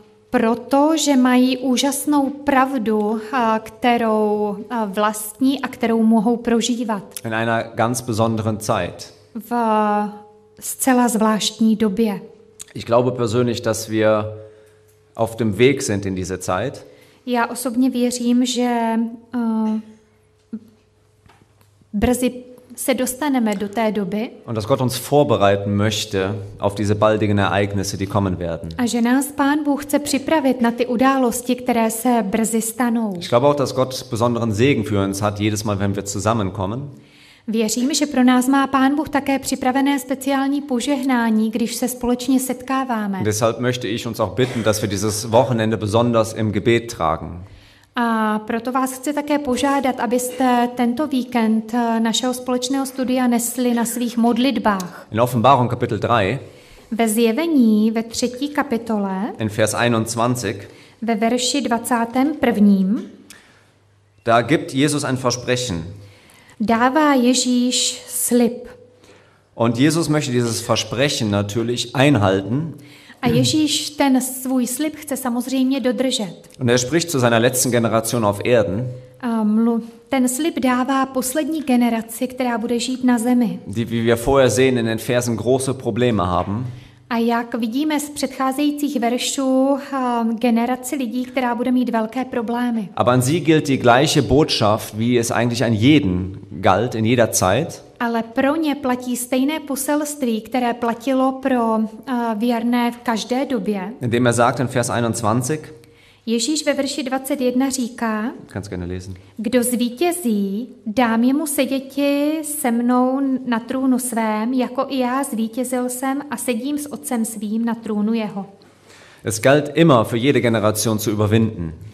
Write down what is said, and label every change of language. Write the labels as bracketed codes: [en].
[cs] Protože mají úžasnou pravdu, kterou vlastní a kterou mohou prožívat. [de] In einer ganz besonderen Zeit. [cs] V zcela zvláštní době. [de] Ich glaube persönlich, dass wir auf dem Weg sind in diese Zeit. [cs] Já osobně věřím, že brzy se dostaneme do té doby. [de] Und dass Gott uns vorbereiten möchte auf diese baldigen Ereignisse, die kommen werden. [cs] A že nás Pán Bůh chce připravit na ty události, které se brzy stanou. [de] Ich glaube auch, dass Gott besonderen Segen für uns hat jedes Mal, wenn wir zusammenkommen. [cs] Věřím, že pro nás má Pán Bůh také připravené speciální požehnání, když se společně setkáváme. [de] Deshalb möchte ich uns auch bitten, dass wir dieses Wochenende besonders im Gebet tragen. [cs] A proto vás chci také požádat, abyste tento víkend našeho společného studia nesli na svých modlitbách. [de] In Offenbarung Kapitel 3. [cs] Ve zjevení ve třetí kapitole. [de] In Vers 21. [cs] Ve verši 21. [de] Da gibt Jesus ein Versprechen. [cs] Dává Ježíš slib. [de] Und Jesus möchte dieses Versprechen natürlich einhalten. [cs] A Ježíš ten svůj slib chce samozřejmě dodržet. [de] Und er spricht zu seiner letzten Generation auf Erden. [cs] Ten slib dává poslední generaci, která bude žít na zemi. [de] Die, wie wir vorher sehen, in den Versen große Probleme haben. [cs] A jak vidíme z předcházejících veršů, generaci lidí, která bude mít velké problémy. [de] Aber an sie gilt die gleiche Botschaft, wie es eigentlich an jeden galt in jeder Zeit. [cs] Ale pro ně platí stejné poselství, které platilo pro věrné v každé době. [de] Indem er sagt in Vers 21. [cs] Ježíš ve verši 21 říká: [de] Kannst gerne lesen. [cs] Kdo zvítězí, dám jemu seděti se mnou na trůnu svém, jako i já zvítězil jsem a sedím s otcem svým na trůnu jeho. [de] Es galt immer für jede Generation zu überwinden.